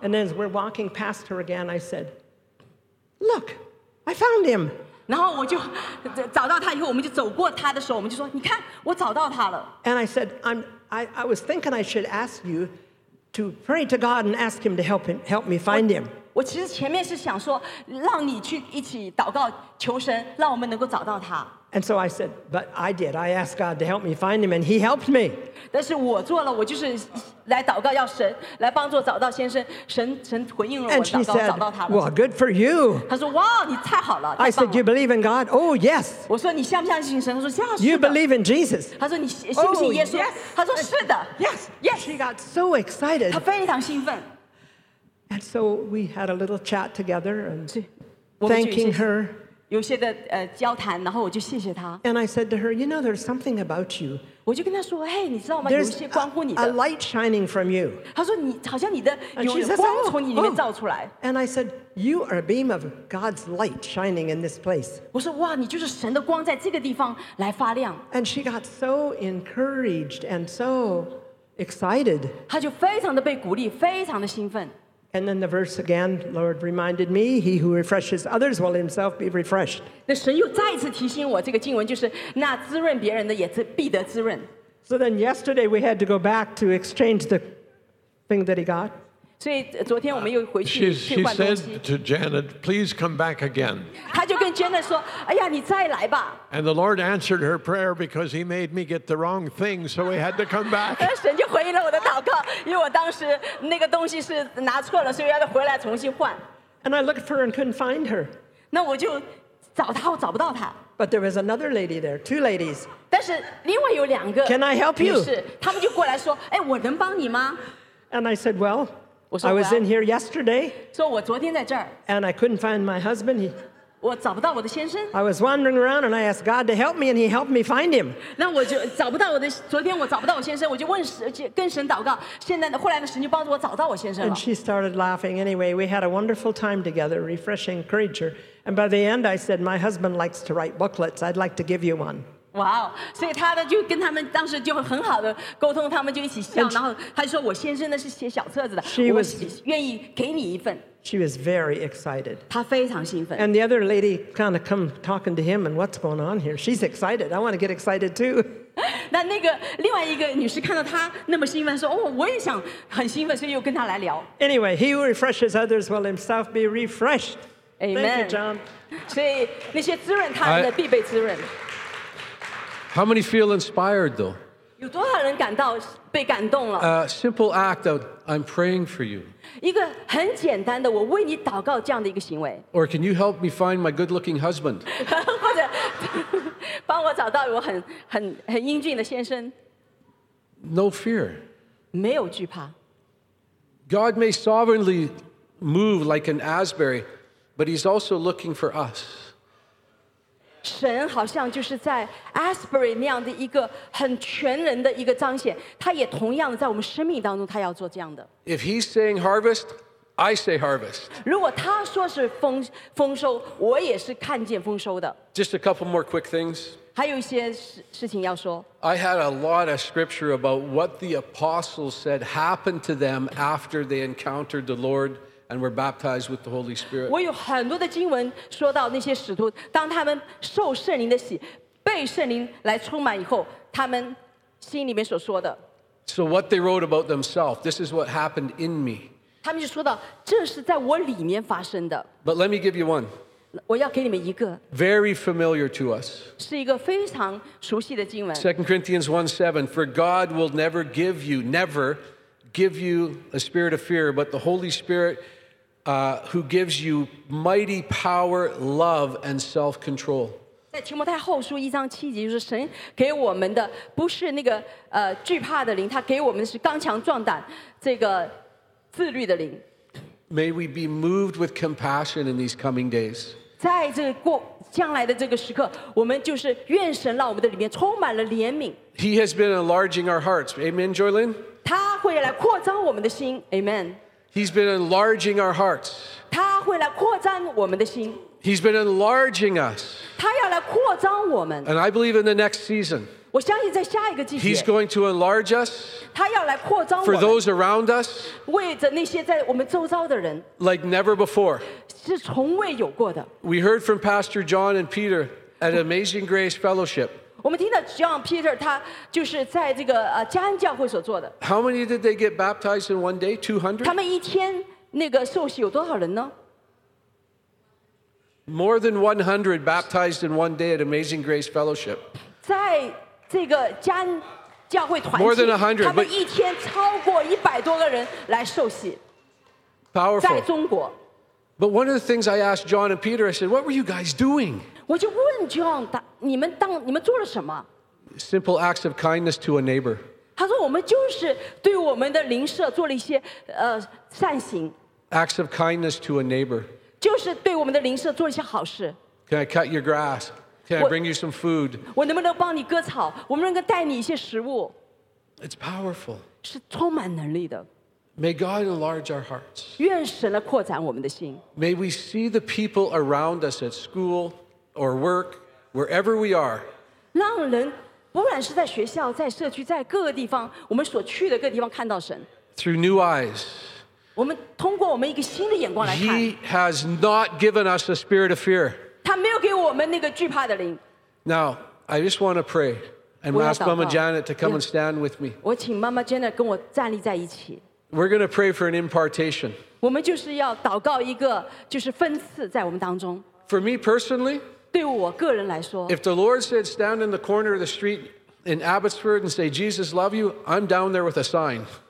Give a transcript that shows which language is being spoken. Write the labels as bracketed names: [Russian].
[English] And then as we're walking past her again, I said, look, I found him. [Chinese] 然后我就找到他以后，我们就走过他的时候，我们就说，你看，我找到他了。 [English] And I said, I was thinking I should ask you to pray to God and ask him to help me find him. [Chinese] 我其实前面是想说让你去一起祷告求神让我们能够找到他。 [English] And so I said, but I did. I asked God to help me find him and he helped me. [Chinese] 但是我做了我就是来祷告要神来帮助找到先生神回应了我祷告找到他了。 [English] And she said, well, good for you. [Chinese] 他说哇你太好了。 [English] I said, you believe in God? Oh, yes. [Chinese] 我说你相不相信神?他说是的。 [English] You believe in Jesus? [Chinese] 他说你信不信耶稣? [English] Oh, yes. [Chinese] 他说是的。 [English] Yes. Yes. She got so excited. [Chinese] 他非常兴奋。 [English] And so we had a little chat together and thanking her. [Chinese] 有些的交谈，然后我就谢谢他。 [English] And I said to her, you know, there's something about you. [Chinese] 我就跟他说，嘿，你知道吗？有些关乎你的。 [English] A light shining from you. [Chinese] 他说你好像你的有光从你里面照出来。 [English] And I said, you are a beam of God's light shining in this place. [Chinese] 我说哇，你就是神的光在这个地方来发亮。 [English] And she got so encouraged and so excited. [Chinese] 他就非常的被鼓励，非常的兴奋。 [English] And then the verse again, Lord reminded me, he who refreshes others will himself be refreshed. [Chinese] 那神又再次提醒我，这个经文就是那滋润别人的也必得滋润。 [English] So then yesterday we had to go back to exchange the thing that he got. [Chinese] 所以昨天我们又回去换东西。 [English] She said to Janet, please come back again. [Chinese] 她就跟 Janet 说，哎呀，你再来吧。 [English] And the Lord answered her prayer because he made me get the wrong thing, so we had to come back. [Chinese] 神就回应了我的祷告，因为我当时那个东西是拿错了，所以要回来重新换。 [English] And I looked for her and couldn't find her. [Chinese] 那我就找她，我找不到她。 [English] But there was another lady there, two ladies. [Chinese] 但是另外有两个。 [English] Can I help you? [Chinese] 是，他们就过来说，哎，我能帮你吗？ [English] And I said, well,I was in here yesterday. [Chinese] So 我昨天在这儿。 [English] And I couldn't find my husband. [Chinese] 我找不到我的先生。 [English] I was wandering around and I asked God to help me and he helped me find him. [Chinese] 那我就找不到我的，昨天我找不到我先生，我就问神，跟神祷告。现在呢，后来呢，神就帮助我找到我先生了。 [English] And she started laughing. Anyway, we had a wonderful time together, refreshing creature. And by the end, I said, my husband likes to write booklets. I'd like to give you one. [Chinese] 哇、wow, 所以他呢就跟他们当时就很好的沟通，他们就一起笑，然后他就说我先生呢是写小册子的， [English] she was, [Chinese] 我愿意给你一份。 [English] She was very excited. [Chinese] 他非常兴奋。 [English] And the other lady kind of come talking to him, and what's going on here? She's excited. I want to get excited too. [Chinese] 那个另外一个女士看到他那么兴奋，说哦，我也想很兴奋，所以又跟他来聊。 [English] Anyway, he who refreshes others will himself be refreshed. Amen. Thank you, John. [Chinese] 所以那些滋润他人的必被滋润。 [English] How many feel inspired, though? [Chinese] 有多少人感到被感动了？ [English] Simple act of I'm praying for you. [Chinese] 一个很简单的我为你祷告这样的一个行为。 [English] Or can you help me find my good-looking husband? [Chinese] 或者帮我找到我很英俊的先生。 [English] No fear. [Chinese] 没有惧怕。 [English] God may sovereignly move like an Asbury, but He's also looking for us. [Chinese] 神好像就是在 Asbury 那样的一个很全人的一个彰显，他也同样的在我们生命当中，他要做这样的。 [English] If he's saying harvest, I say harvest. [Chinese] 如果他说是丰收，我也是看见丰收的。 [English] Just a couple more quick things. [Chinese] 还有一些事情要说。 [English] I had a lot of scripture about what the apostles said happened to them after they encountered the Lord. And we're baptized with the Holy Spirit. [Chinese] 我有很多的经文说到那些使徒，当他们受圣灵的洗，被圣灵来充满以后，他们心里面所说的。 [English] So what they wrote about themselves, this is what happened in me. [Chinese] 他们就说到，这是在我里面发生的。 [English] But let me give you one. [Chinese] 我要给你们一个。 [English] Very familiar to us. [Chinese] 是一个非常熟悉的经文。 [English] 2 Corinthians 1:7, for God will never give you, never. Give you a spirit of fear, but the Holy Spirit, who gives you mighty power, love, and self-control. [Chinese] 在提摩太后书一章七节，就是神给我们的不是那个惧怕的灵，他给我们的是刚强壮胆，这个自律的灵。 [English] May we be moved with compassion in these coming days. [Chinese] 在这个将来的这个时刻，我们就是愿神让我们的里面充满了怜悯。 [English] He has been enlarging our hearts. Amen, Joylin. [Chinese] 他会来扩张我们的心 ，Amen. [English] He's been enlarging our hearts. [Chinese] 他会来扩张我们的心。 [English] He's been enlarging us. [Chinese] 他要来扩张我们。 [English] And I believe in the next season. [Chinese] 我相信在下一个季节。 [English] He's going to enlarge us. [Chinese] 他要来扩张我们。 [English] For those around us. [Chinese] 为着那些在我们周遭的人。 [English] Like never before. [Chinese] 是从未有过的。 [English] We heard from Pastor John and Peter at Amazing Grace Fellowship. [Chinese] 我们听到 John Peter 他就是在这个加恩教会所做的。 [English] How many did they get baptized in one day? 200? [Chinese] 他们一天那个受洗有多少人呢？ [English] More than 100 baptized in one day at Amazing Grace Fellowship. [Chinese] 在这个加恩教会团契， [English] More than 100, [Chinese] 他们一天超过100多个人来受洗。 [English] Powerful. [Chinese] 在中国。 [English] But one of the things I asked John and Peter, I said, what were you guys doing? [Chinese] 我就问 John， 你们做了什么 [English] ？Simple acts of kindness to a neighbor。 [Chinese] 他说我们就是对我们的邻舍做了一些善行。 [English] Acts of kindness to a neighbor。 [Chinese] 就是对我们的邻舍做了一些好事。 [English] Can I cut your grass? Can I bring you some food? [Chinese] 我能不能帮你割草? 我能不能带你一些食物? [English] It's powerful. [Chinese] 是充满能力的。 [English] May God enlarge our hearts. [Chinese] 愿神来扩展我们的心。 [English] May we see the people around us at school or work, wherever we are. [Chinese] 让人不管是在学校、在社区、在各个地方，我们所去的各个地方看到神。 [English] Through new eyes. [Chinese] 我们通过我们一个新的眼光来看。 [English] He has not given us a spirit of fear. [Chinese] 他没有给我们那个惧怕的灵。 [English] Now I just want to pray and ask Mama Janet to come and stand with me. [Chinese] 我请妈妈 Janet 跟我站立在一起。 [English] We're going to pray for an impartation. [Chinese] 我们就是要祷告一个就是分赐在我们当中。 [English] For me personally. [Chinese] 对我个人来说, [English] if the Lord said, stand in the corner of the street in Abbotsford and say, Jesus love you, I'm down there with a sign.